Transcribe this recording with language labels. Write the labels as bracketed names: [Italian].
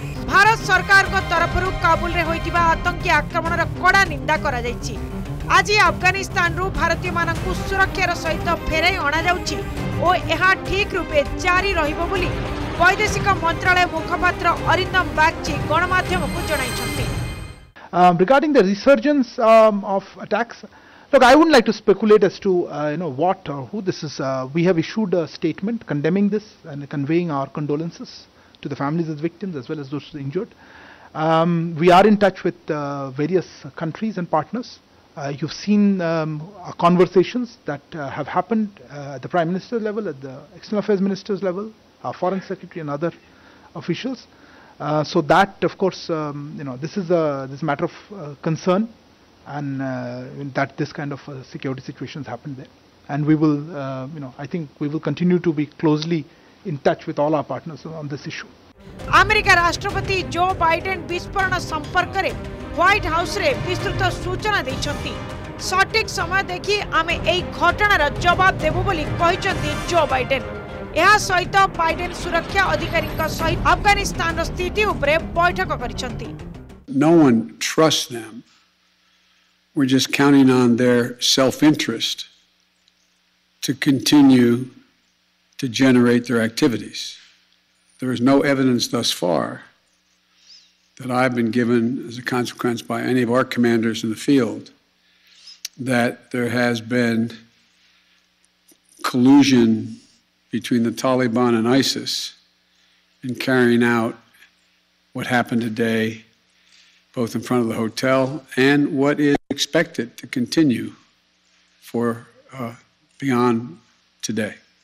[Odia] ଭାରତ ସରକାରଙ୍କ ତରଫରୁ କାବୁଲରେ ହୋଇଥିବା ଆତଙ୍କୀ ଆକ୍ରମଣର କଡ଼ା ନିନ୍ଦା କରାଯାଇଛି। ଆଜି ଆଫଗାନିସ୍ତାନରୁ ଭାରତୀୟମାନଙ୍କୁ ସୁରକ୍ଷାର ସହିତ ଫେରାଇ ଅଣାଯାଉଛି ଓ ଏହା ଠିକ୍ ରୂପେ ଜାରି ରହିବ ବୋଲି ବୈଦେଶିକ ମନ୍ତ୍ରାଳୟ ମୁଖପାତ୍ର ଅରିନ୍ଦମ ବାଗ୍ଚି ଗଣମାଧ୍ୟମକୁ ଜଣାଇଛନ୍ତି। [English] Regarding the resurgence of attacks, look, I wouldn't like to speculate as to what or who this is. We have issued a statement condemning this and conveying our condolences to the families of the victims as well as those injured. We are in touch with various countries and partners. You've seen conversations that have happened at the Prime Minister level, at the External Affairs Minister's level, our Foreign Secretary and other officials. So that, of course, this is a matter of concern, and that this kind of security situation has happened there. And we will, I think we will continue to be closely in touch with all our partners on this issue. [Odia] America ରାଷ୍ଟ୍ରପତି Joe Biden ବିସ୍ଫୋରଣ ସମ୍ପର୍କରେ white ହାଉସ୍ରେ ବିସ୍ତୃତ ସୂଚନା ଦେଇଛନ୍ତି। ସଠିକ୍ ସମୟ ଦେଖି ଆମେ ଏହି ଘଟଣାର ଜବାବ ଦେବୁ ବୋଲି କହିଛନ୍ତି ଜୋ ବାଇଡେନ୍। ଏହା ସହିତ ବାଇଡେନ୍ ସୁରକ୍ଷା ଅଧିକାରୀଙ୍କ ସହିତ ଆଫଗାନିସ୍ତାନର ସ୍ଥିତି ଉପରେ ବୈଠକ କରିଛନ୍ତି। [English] No one trusts them. We're just counting on their self-interest to continue to generate their activities. There is no evidence thus far that I've been given as a consequence by any of our commanders in the field that there has been collusion between the Taliban and ISIS in carrying out what happened today, both in front of the hotel and what is expected to continue for beyond today.